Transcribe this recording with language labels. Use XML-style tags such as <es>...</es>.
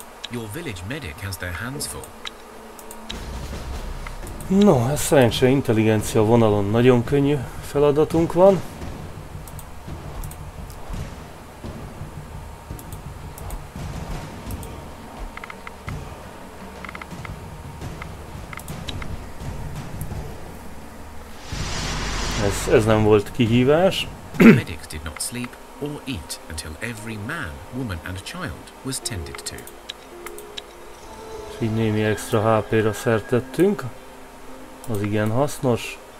<en>Your village medic has their hands full.</en> <hu>No, ez szerencsére intelligencia vonalon nagyon könnyű feladatunk van. Ez nem volt kihívás.</hu> <en>The medic did not sleep or eat until every man, woman and child was tended to.</en> <hu>És így némi extra HP-ra szertettünk. Az igen hasznos.</hu>